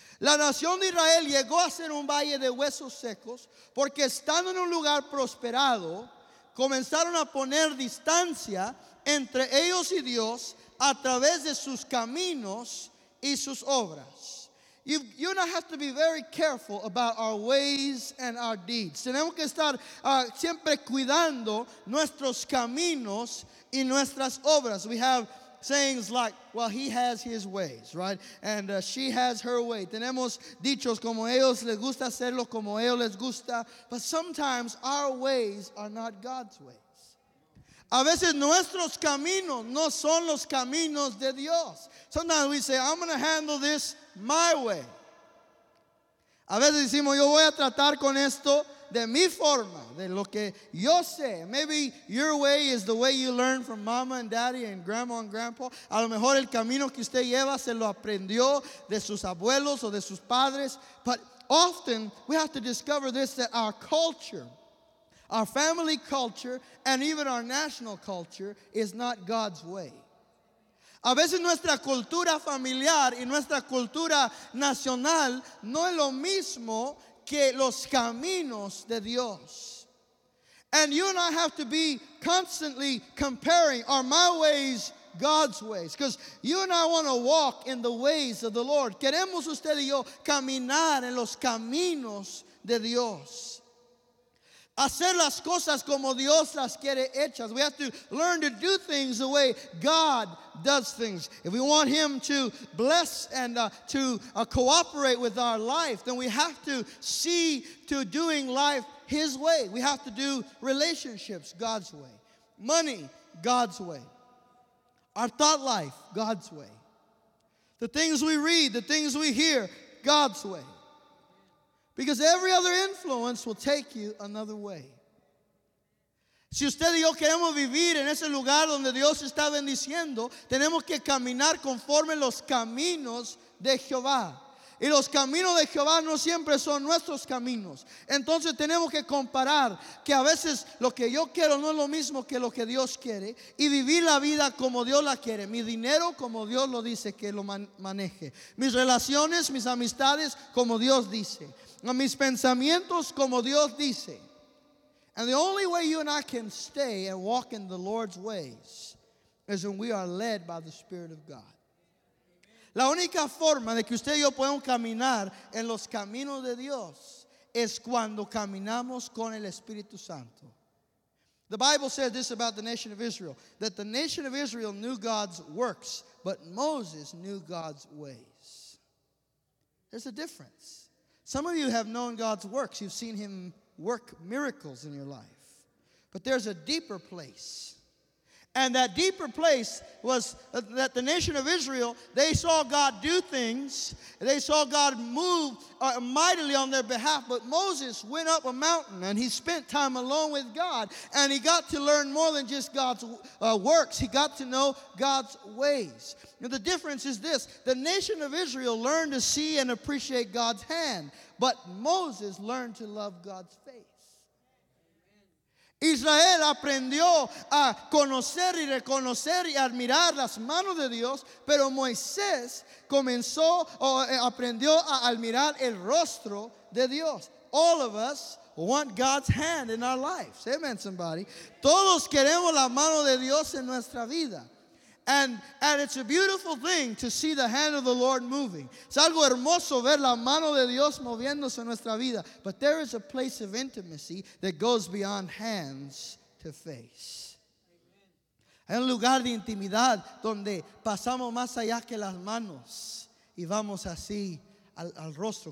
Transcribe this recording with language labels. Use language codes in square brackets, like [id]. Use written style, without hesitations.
[es] La nación de Israel llegó a ser un valle de huesos secos porque estando en un lugar prosperado, comenzaron a poner distancia entre ellos y Dios a través de sus caminos y sus obras. [en] You and I have to be very careful about our ways and our deeds. [es] Tenemos que estar siempre cuidando nuestros caminos y nuestras obras. [en] We have sayings like, well, he has his ways, right? And she has her way. [es] Tenemos dichos como ellos les gusta hacerlo, como ellos les gusta. [en] But sometimes our ways are not God's ways. [es] A veces nuestros caminos no son los caminos de Dios. [en] Sometimes we say, I'm going to handle this my way. [es] A veces decimos, yo voy a tratar con esto de mi forma, de lo que yo sé. [en] Maybe your way is the way you learned from mama and daddy and grandma and grandpa. [es] A lo mejor el camino que usted lleva se lo aprendió de sus abuelos o de sus padres. [en] But often we have to discover this, that our culture, our family culture, and even our national culture is not God's way. [es] A veces nuestra cultura familiar y nuestra cultura nacional no es lo mismo que los caminos de Dios. [en] And you and I have to be constantly comparing, are my ways God's ways? Because you and I want to walk in the ways of the Lord. [es] Queremos usted y yo caminar en los caminos de Dios. Hacer las cosas como Dios las quiere hechas. [en] We have to learn to do things the way God does things. If we want him to bless and cooperate with our life, then we have to see to doing life his way. We have to do relationships God's way. Money, God's way. Our thought life, God's way. The things we read, the things we hear, God's way. Because every other influence will take you another way. [es] Si usted y yo queremos vivir en ese lugar donde Dios está bendiciendo, tenemos que caminar conforme los caminos de Jehová. Y los caminos de Jehová no siempre son nuestros caminos. Entonces tenemos que comparar que a veces lo que yo quiero no es lo mismo que lo que Dios quiere y vivir la vida como Dios la quiere. Mi dinero como Dios lo dice que lo maneje. Mis relaciones, mis amistades como Dios dice. Mis pensamientos como Dios dice. [en] And the only way you and I can stay and walk in the Lord's ways is when we are led by the Spirit of God. [es] La única forma de que usted y yo podemos caminar en los caminos de Dios es cuando caminamos con el Espíritu Santo. [en] The Bible says this about the nation of Israel, that the nation of Israel knew God's works, but Moses knew God's ways. There's a difference. Some of you have known God's works. You've seen him work miracles in your life. But there's a deeper place. And that deeper place was that the nation of Israel, they saw God do things. They saw God move mightily on their behalf. But Moses went up a mountain and he spent time alone with God. And he got to learn more than just God's works. He got to know God's ways. Now, the difference is this. The nation of Israel learned to see and appreciate God's hand. But Moses learned to love God's face. [es] Israel aprendió a conocer y reconocer y admirar las manos de Dios, pero Moisés comenzó o aprendió a admirar el rostro de Dios. [en] All of us want God's hand in our lives. Amen, somebody. [es] Todos queremos la mano de Dios en nuestra vida. [en] And it's a beautiful thing to see the hand of the Lord moving. [es] Es algo hermoso ver la mano de Dios moviéndose en nuestra vida. [en] But there is a place of intimacy that goes beyond hands to face. [es] Hay un lugar de intimidad donde pasamos más allá que las manos y vamos así al rostro.